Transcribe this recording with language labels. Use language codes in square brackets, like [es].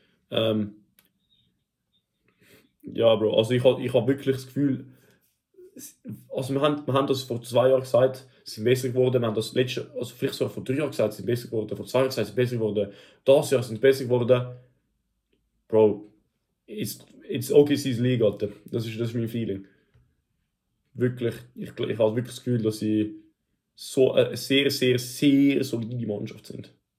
[de] Ja, Bro, also ich habe wirklich das Gefühl, also wir haben das vor 2 Jahren gesagt, sind besser geworden, wir haben das letzte, also vielleicht sogar vor 3 Jahren gesagt, sind besser geworden, vor 2 Jahren gesagt, sind besser geworden, das Jahr sind besser geworden. [en] Bro, it's OKC's League, [de] Alter. Das ist mein Feeling. Wirklich, ich habe wirklich das Gefühl, dass sie so eine sehr, sehr, sehr solide Mannschaft sind.